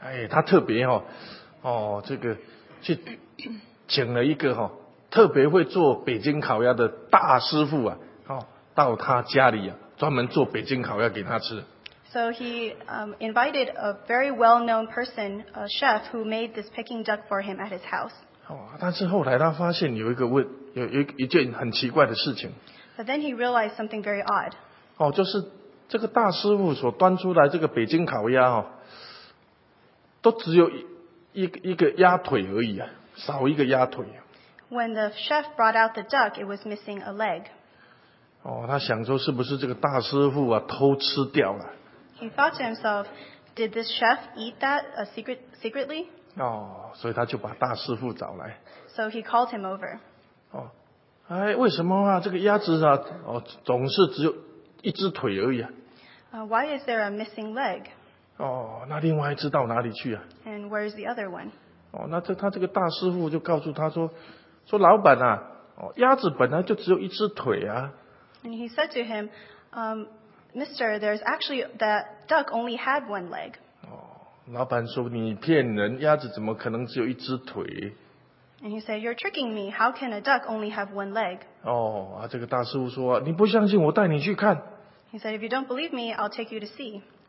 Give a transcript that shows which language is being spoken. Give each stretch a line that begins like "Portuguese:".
Chinese: 他特别这个去请了一个特别会做北京烤鸭的大师傅到他家里专门做北京烤鸭给他吃。
English: So he invited a very well-known person, a chef who made this Peking duck for him at his house.
Chinese: 但是后来他发现有一件很奇怪的事情。
English: But then he realized something very odd.
Chinese: 就是这个大师傅所端出来这个北京烤鸭都只有一个鸭腿而已少一个鸭腿。
English: When the chef brought out the duck, it was missing a leg.
Chinese: 他想说是不是这个大师傅偷吃掉了。
English: He thought to himself, did this chef eat that secretly?
Chinese: 所以他就把大师傅找来。
English: So he called him over.
Chinese: 为什么这个鸭子总是只有一只腿而已
English: Why is there a missing leg?
Chinese: 那另外一只到哪里去
English: And where is the other one?
Chinese: 他这个大师傅就告诉他说老板鸭子本来就只有一只腿
English: And he said to him, Mister, there's actually that duck only had one leg.
Chinese: 老板说你骗人，鸭子怎么可能只有一只腿？
English: And he said, you're tricking me. How can a duck only have one leg?
Chinese: 这个大师傅说你不相信我带你去看。
English: He said, if you don't believe me, I'll take you to see.